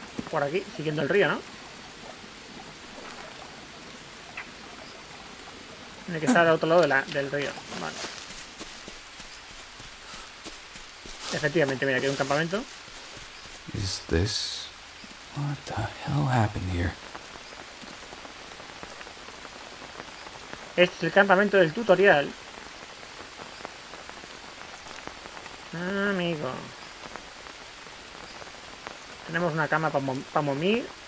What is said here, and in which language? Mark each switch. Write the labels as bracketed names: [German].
[Spanish] Por aquí, siguiendo el río, ¿no? Tiene que estar al otro lado de del río. Vale. Efectivamente, mira, aquí hay un campamento. [English] Is this... What the hell happened here? [Spanish] Este es el campamento del tutorial. Amigo. Tenemos una cama para momir.